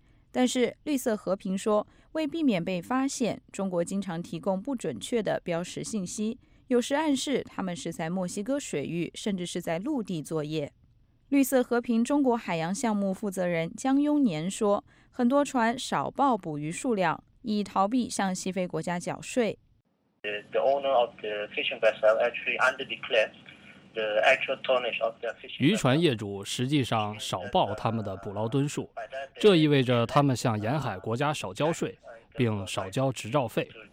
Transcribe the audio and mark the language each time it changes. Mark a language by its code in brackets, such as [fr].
[zh] 但是绿色和平说，为避免被发现，中国经常提供不准确的标识信息，有时暗示他们是在墨西哥水域甚至是在陆地作业。绿色和平中国海洋项目负责人江庸年说，很多船少报捕鱼数量，以逃避向西非国家缴税。 [en] The owner of the fishing vessel actually underdeclared the actual tonnage of the fishing. [zh] 渔船业主实际上少报他们的捕捞吨数，这意味着他们向沿海国家少交税，并少交执照费。